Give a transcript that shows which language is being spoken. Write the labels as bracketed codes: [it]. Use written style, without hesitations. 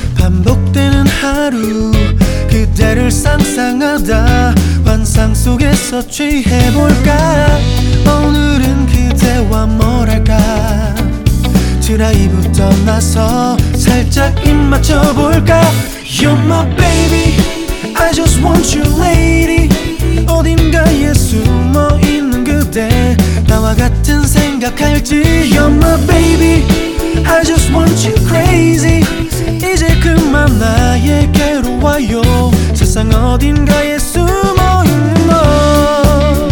[ko] 반복되는 하루 그대를 상상하다 환상 속에서 취해볼까. 오늘은 그대와 뭐랄까 드라이브 떠나서 살짝 입 맞춰볼까. [en] You're my baby, I just want you, lady. [ko] 어딘가에 숨어있는 그대 나와 같은 생각할지. [en] You're my baby, I just want you crazy. [ko] 이제 그만 나에게로 와요. 세상 어딘가에 숨어있는 너.